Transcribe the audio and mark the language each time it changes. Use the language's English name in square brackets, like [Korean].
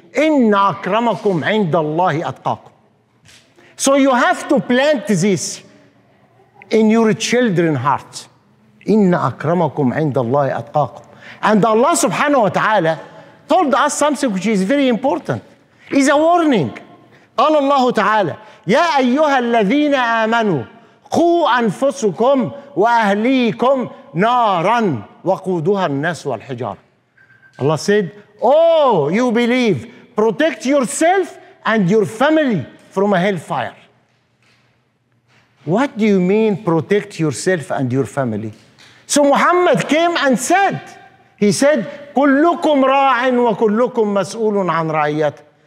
[Arabic] Inna akramakum 'inda Allahi atqakum. [English] So you have to plant this in your children's heart. [Arabic] Inna akramakum 'inda Allahi atqakum. [English] And Allah subhanahu wa ta'ala told us something which is very important. It's a warning. [Arabic] قال الله تعالى يا أيها الذين آمنوا قوا أنفسكم وأهليكم نارا وقودها الناس والحجارة. [English] Allah said, oh, you believe, protect yourself and your family from a hellfire. What do you mean protect yourself and your family? So Muhammad came and said, he said, [Arabic] كلكم راع وكلكم مسؤول عن رعيته.